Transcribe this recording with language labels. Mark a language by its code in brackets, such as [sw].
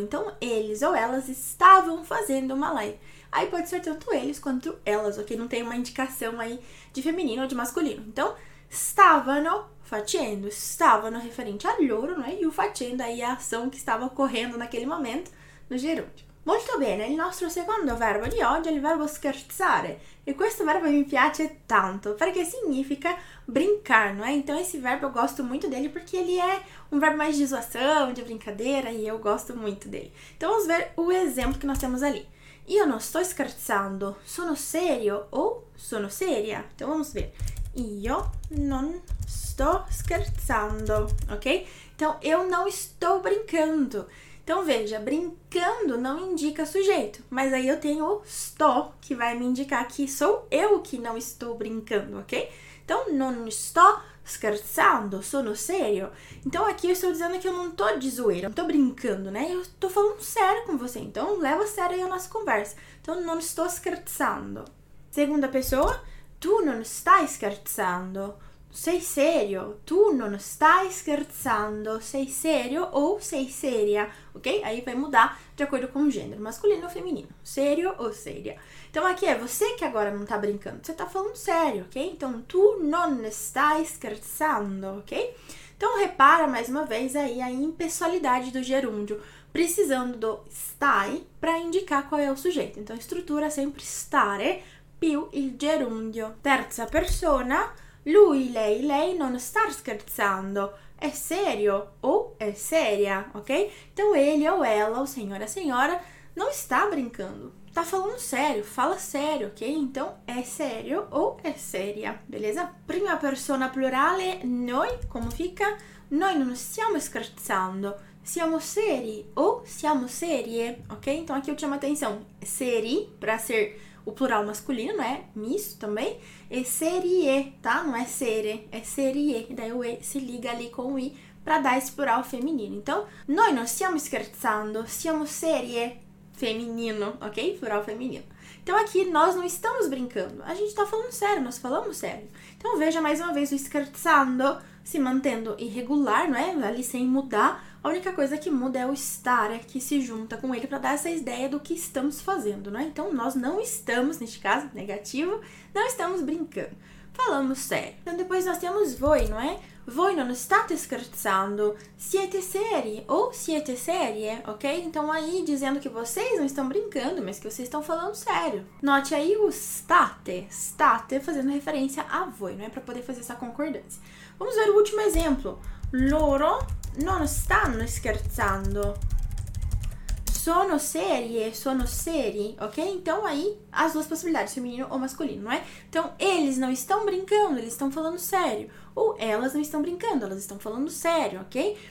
[pt] Então, eles ou elas estavam fazendo uma live. Aí pode ser tanto eles quanto elas, ok? Não tem uma indicação aí de feminino ou de masculino. Então, [it] stavano facendo, [pt] stavano referente a loro, não é? E o facendo aí a ação que estava ocorrendo naquele momento no gerúndio. [it] Molto bene, il nostro secondo verbo di oggi è il verbo scherzare. E questo verbo mi piace tanto, perché significa [pt] brincar, não é? Então esse verbo eu gosto muito dele porque ele é um verbo mais de zoação, de brincadeira, e eu gosto muito dele. Então vamos ver o exemplo que nós temos ali. [it] Io non sto scherzando, sono serio o sono seria? [pt] Então vamos ver. [it] Io non sto scherzando, ok? [pt] Então eu não estou brincando. Então veja, brincando não indica sujeito, mas aí eu tenho o sto que vai me indicar que sou eu que não estou brincando, ok? Então [it] non sto scherzando, sono serio. [pt] Então aqui eu estou dizendo que eu não tô de zoeira, não tô brincando, né? Eu tô falando sério com você, então leva a sério a nossa conversa. Então não estou scherzando. Segunda pessoa, tu não [it] stai scherzando. Sei serio, tu non stai scherzando, sei serio ou sei seria, ok? [pt] Aí vai mudar de acordo com o gênero, masculino ou feminino, serio ou seria. Então aqui é você que agora não tá brincando, você tá falando sério, ok? Então tu non stai scherzando, ok? Então repara mais uma vez aí a impessoalidade do gerúndio, precisando do stai para indicar qual é o sujeito. Então a estrutura é sempre stare più il gerúndio. [it] Terza persona. Lui, lei non sta scherzando, è serio ou è seria, ok? [pt] Então ele ou ela, o senhor, a senhora, não está brincando, tá falando sério, fala sério, ok? Então é sério ou é seria, beleza? [it] Prima persona plurale, noi, [pt] como fica? [it] Noi non stiamo scherzando, siamo seri ou siamo serie, ok? [pt] Então aqui eu chamo a atenção, seri, para ser o plural masculino, né? Misto também. E serie, tá? Não é sere, é serie. Daí o e se liga ali com o i pra dar esse plural feminino. Então, noi non stiamo scherzando, siamo serie. Feminino, ok? Plural feminino. Então aqui, nós não estamos brincando. A gente tá falando sério, nós falamos sério. Então veja mais uma vez o scherzando se mantendo irregular, não é? Ali sem mudar. A única coisa que muda é o estar, é que se junta com ele para dar essa ideia do que estamos fazendo, né? Então, nós não estamos, neste caso, negativo, não estamos brincando. Falamos sério. Então, depois nós temos voi, não é? [it] Voi non state scherzando. Siete seri ou siete serie, ok? [pt] Então, aí, dizendo que vocês não estão brincando, mas que vocês estão falando sério. Note aí o state. State fazendo referência a voi, não é? Para poder fazer essa concordância. Vamos ver o último exemplo. [it] Loro non stanno scherzando. Sono serie, sono seri, ok? [pt] Então aí as duas possibilidades, feminino ou masculino, não é? Então eles não estão brincando, eles estão falando sério. Ou elas não estão brincando, elas estão falando sério, ok?